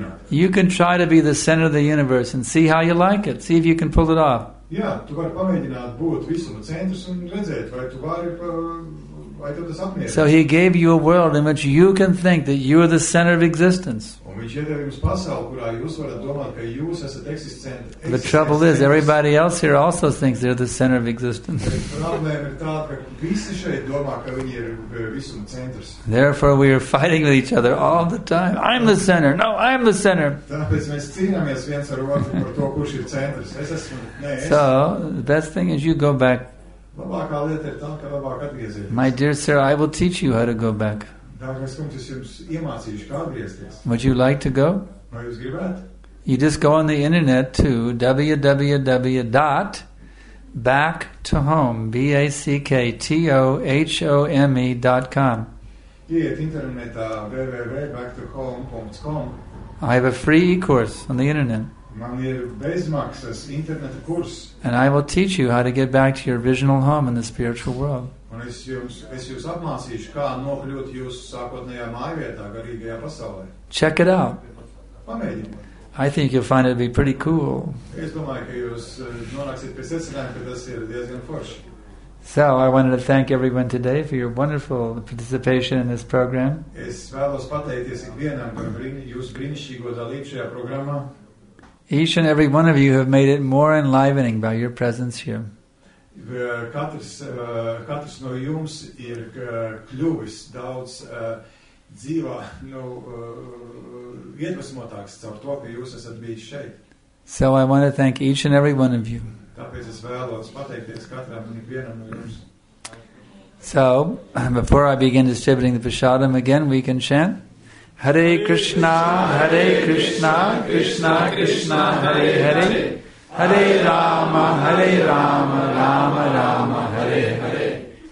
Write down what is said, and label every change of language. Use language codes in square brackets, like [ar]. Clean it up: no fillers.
[en] You can try to be the center of the universe and see how you like it. See if you can pull it off. [lv] Yeah, tu vari pamēģināt būt visuma centrs un redzēt, vai tu vari, vai tu tas apmierināt. [en] So he gave you a world in which you can think that you are the center of existence. [lv] Un viņš iedev jums pasauli, kurā jūs varat domāt, ka jūs esat eksistents. [en] The trouble is, everybody else here also thinks they're the center of existence. [lv] Problēma ir tā, ka visi šeit domā, ka viņi ir visuma centrs. [en] Therefore we are fighting with each other all the time. I'm the center. No, I'm the center. [lv] Tāpēc mēs cīnāmies viens ar otru par to, kurš ir centrs. Es esmu, ne, es. [en] So, the best thing is you go back. [lv] Labākā lieta ir tam, ka labāk atgriezīties. [en] My dear sir, I will teach you how to go back. [lv] Dārgais kungs, es jums iemācīšu, kā atgriezties. [en] Would you like to go? [lv] Vai jūs gribētu? [en] You just go on the internet to www.backtohome, backtohome.com. [lv] Iet internetā www.backtohome.com. [en] I have a free e-course on the internet. [lv] Man ir bezmaksas interneta kurs. [en] And I will teach you how to get back to your original home in the spiritual world. [lv] Un es jūs apmācīšu, kā nokļūt jūs sākotnējā mājvietā, garīgajā pasaulē. [en] Check it out. [lv] Pamēģiniet. [en] I think you'll find it to be pretty cool. [lv] Es domāju, ka jūs nonāksiet pie secinājuma, ka tas ir diezgan forši. [en] So, I wanted to thank everyone today for your wonderful participation in this program. [lv] Es vēlos pateikties ikvienam par jūsu brīnišķīgo dalību šajā programmā. [en] Each and every one of you have made it more enlivening by your presence here. [lv] Katrs no jums ir kļuvis daudz dzīvā, iedvesmotāks caur to, ka jūs esat bijis šeit. [en] So I want to thank each and every one of you. [lv] Tāpēc es vēlos pateikties katram un ikvienam no jums. [en] So, before I begin distributing the prasadam again, we can chant. [sa] Hare Krishna, Krishna Krishna, Hare Hare. Hare Rama, Rama Rama, Hare Hare.